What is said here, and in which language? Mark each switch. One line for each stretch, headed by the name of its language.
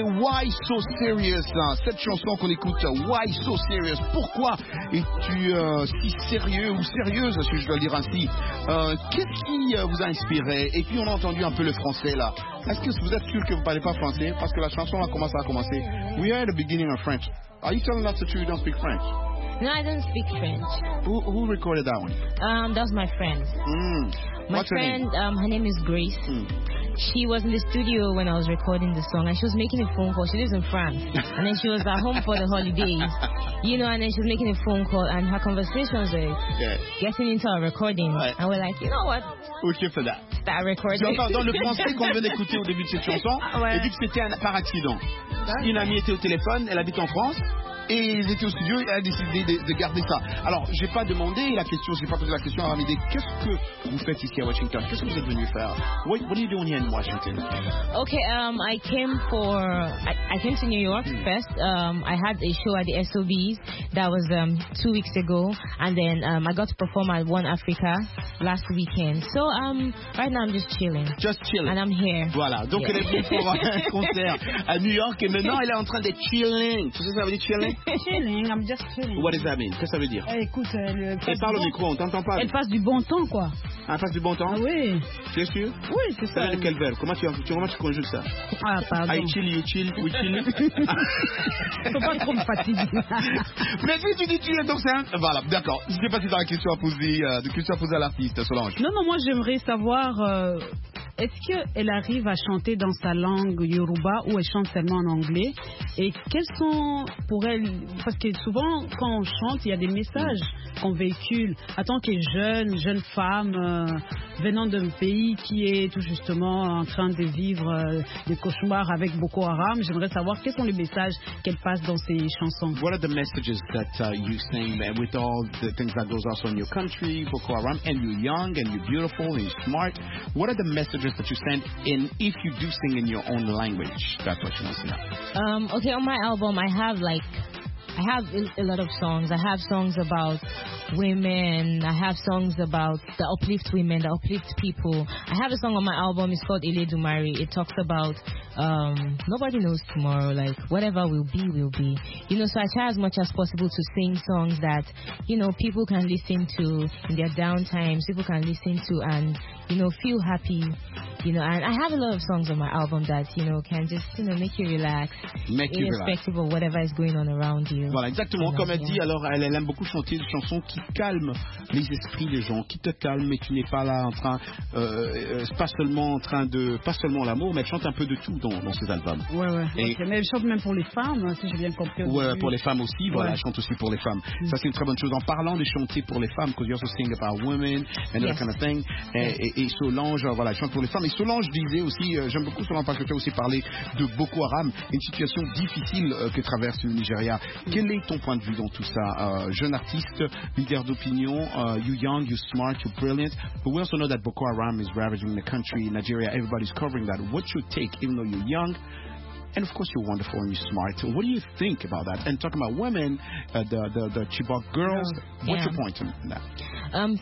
French: Why So Serious, hein. Cette chanson qu'on écoute, Why So Serious, pourquoi es-tu si sérieux ou sérieuse, si je dois le dire ainsi. Qu'est-ce qui vous a inspiré? Et puis on a entendu un peu le français là. Est-ce que vous êtes sûr que vous ne parlez pas français? Parce que la chanson a commencé à commencer.
English: We are at the beginning of French. Are you telling us that you don't speak French? No, I don't speak French. Who recorded that one? That was my friend. Her name is Grace. Mm. She was in the studio when I was recording the song, and she was making a phone call. She lives in France, and then she was at home for the holidays, you know, and then she was making a phone call, and her conversations were getting into our recording, right. And we're like, you know what? Okay for that. Start recording.
French: Donc, dans le français qu'on vient d'écouter au début de cette chanson, ouais. Et dit que c'était par accident. Une amie était au téléphone, elle habite en France. et ils étaient au studio et elle a décidé de garder ça. Alors, j'ai pas demandé la question, j'ai pas posé la question à Ramidé, qu'est-ce que vous faites ici à Washington? Qu'est-ce que vous êtes venu faire?
English: What are you doing here in Washington? Okay, I came to New York first. I had a show at the SOBs that was 2 weeks ago, and then I got to perform at One Africa last weekend. So, right now I'm just chilling. Just chilling. And I'm here.
French: Voilà, donc elle est venue pour un concert à New York et maintenant elle est en train de chilling. Tu sais ça veut dire chilling?
English: Chilling, I'm just chilling. What does that mean?
French: Qu'est-ce que ça veut dire? Écoute, elle parle au micro, on t'entend pas. Elle passe du bon temps, quoi. Elle passe du bon temps? Oui. Tu es sûr? Oui, c'est ça. Quel verbe? Comment tu conjugues ça? Ah, pardon.
English: I chill, you chill, we chill.
French: Faut pas trop me fatiguer. Mais si tu dis chill, donc c'est un. Voilà, d'accord. Je sais pas si tu as une question à poser, à l'artiste, Solange. Non, moi j'aimerais savoir. Est-ce qu'elle arrive à chanter dans sa langue Yoruba ou elle chante seulement en anglais? Et quels sont pour elle... Parce que souvent, quand on chante, il y a des messages qu'on véhicule. En tant que jeune femme, venant d'un pays qui est tout justement en train de vivre des cauchemars avec Boko Haram, j'aimerais savoir quels sont les messages qu'elle passe dans ses chansons.
English: What are the messages that you sing with all the things that goes on in your country, Boko Haram, and you're young, and you're beautiful, and you're smart? What are the messages that you send in if you do sing in your own language? That's what she wants to know. Okay, on my album, I have a lot of songs. I have songs about women. I have songs about the uplift women, the uplift people. I have a song on my album. It's called Ile Dumari. It talks about nobody knows tomorrow. Like, whatever will be, will be. You know, so I try as much as possible to sing songs that, you know, people can listen to in their downtimes, people can listen to and, you know, feel happy. You know, and I have a lot of songs on my album that, you know, can just, you know, make you relax. Make you relax. Irrespective of whatever is going on around you.
French: Voilà, exactement. Comme elle dit, alors, elle aime beaucoup chanter des chansons qui calment les esprits des gens, qui te calment, mais qui n'est pas là en train, pas seulement l'amour, mais elle chante un peu de tout dans ses albums. Ouais, ouais. Et, okay. Mais elle chante même pour les femmes, si j'ai bien compris. Ouais, pour les femmes aussi, voilà, elle chante aussi pour les femmes. Mm-hmm. Ça, c'est une très bonne chose. En parlant de chanter pour les femmes,
English: because you also sing about women and that kind of thing.
French: Et Solange, voilà, elle chante pour les femmes. Solange disait aussi, j'aime beaucoup Solange parce que tu as aussi parlé de Boko Haram, une situation difficile que traverse le Nigeria. Quel est ton point de vue dans tout ça? Jeune artiste, leader d'opinion,
English: you young, you smart, you brilliant, but we also know that Boko Haram is ravaging the country, Nigeria, everybody's covering that. What's your take, even though you're young? And of course, you're wonderful and you're smart. What do you think about that? And talking about women, the Chibok girls, what's your point on that?